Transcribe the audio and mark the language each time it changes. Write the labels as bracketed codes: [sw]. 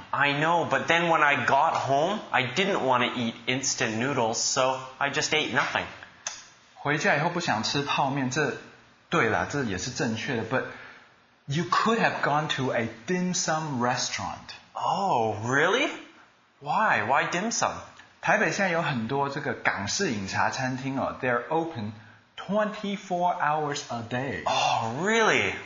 [en] I know, but then when I got home, I didn't want to eat instant noodles, so I just ate nothing. [zh] 回家以后不想吃泡面，这对了，这也是正确的。 [en] But you could have gone to a dim sum restaurant. Oh, really? Why? Why dim sum? [zh] 台北现在有很多这个港式饮茶餐厅哦， [en] they're open 24 hours a day. Oh, really?